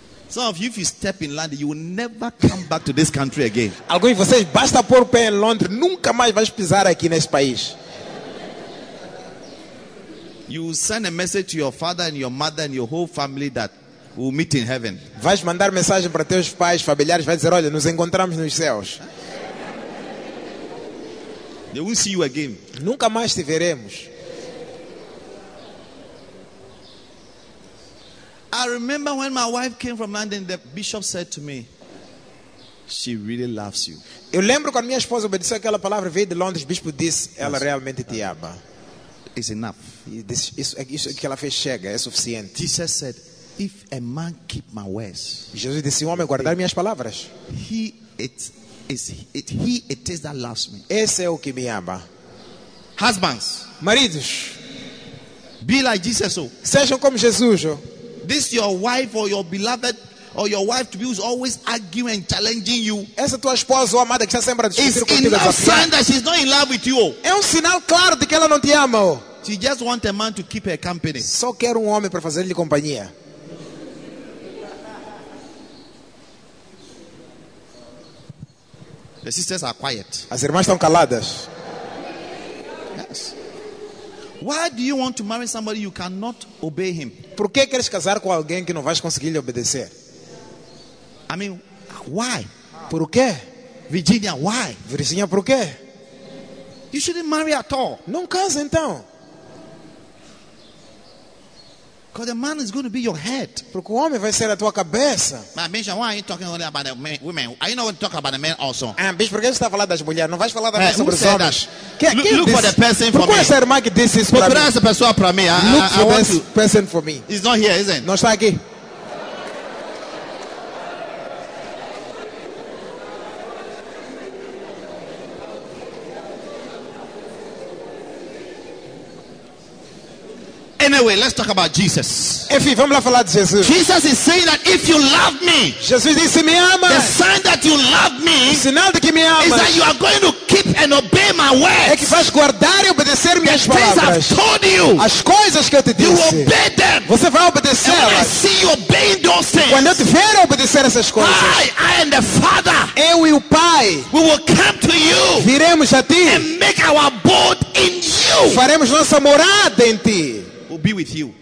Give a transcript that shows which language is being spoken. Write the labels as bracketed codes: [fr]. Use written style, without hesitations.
[en] Some of you, if you step in London, you will never come back to this country again. [pt] Alguns de vocês, basta pôr o pé em Londres, nunca mais vais pisar aqui nesse país. [en] You will send a message to your father and your mother and your whole family that we will meet in heaven. [pt] Vais mandar mensagem para teus pais, familiares, vai dizer, olha, nos encontramos nos céus. [en] They won't see you again. [pt] Nunca mais te veremos. [en] I remember when my wife came from London, the bishop said to me, she really loves you. [pt] Eu lembro quando minha esposa obedeceu aquela palavra, veio de Londres, o bispo disse, ela realmente te ama. [en] It's enough. [pt] Isso que ela fez chega, é suficiente. [en] Jesus said, if a man keep my words, [pt] Jesus disse, homem guardar minhas palavras, [en] he it is that loves me. [pt] Esse é o que me ama. [en] Husbands, [pt] maridos, [en] be like Jesus. [pt] Sejam como Jesus. [en] This your wife or your beloved or your wife to be who's always arguing and challenging you. [pt] Essa tua esposa ou amada que está sempre a discutir contigo. [en] It's a sign that she's not in love with you. [pt] É um sinal claro de que ela não te ama. [en] She just wants a man to keep her company. [pt] Só quer homem para fazer-lhe companhia. [en] The sisters are quiet. [pt] As irmãs estão caladas. [en] Yes. Why do you want to marry somebody you cannot obey him? [pt] Por que queres casar com alguém que não vais conseguir lhe obedecer? [en] I mean, why? [pt] Por quê? [en] Virginia, why? [pt] Virginia, por quê? [en] You shouldn't marry at all. [pt] Não case então. [en] Because the man is going to be your head. [pt] Porque o homem vai ser a tua cabeça. [en] But bishop, why are you talking only about the women? Are you not going to talk about the men also? [pt] Bishop, por que você está falando das mulheres? Não vais falar também sobre os homens? [en] Look for the person for me. [pt] Procura essa irmã que disse isso para mim. Procura essa pessoa para mim. [en] Look for this person for me. He's not here, isn't he? [pt] Não está aqui. [en] Anyway, let's talk about Jesus. [pt] Enfim, vamos lá falar de Jesus. [en] Jesus is saying that if you love me, [pt] Jesus disse, me ama. [en] The sign that you love me, [pt] o sinal de que me ama, [en] is that you are going to keep and obey my words. [pt] É que vais guardar e obedecer minhas palavras. [en] The things I've told you, [pt] as coisas que eu te disse, [en] you obey them. [pt] Você vai obedecer. [en] And when I see you obeying those things, [pt] quando eu te ver obedecer essas coisas, [en] I am the Father. [pt] Eu e o Pai, [en] we will come to you. [pt] Viremos a ti. [en] And make our abode in you. [pt] Faremos nossa morada em ti. [en] We'll be with you.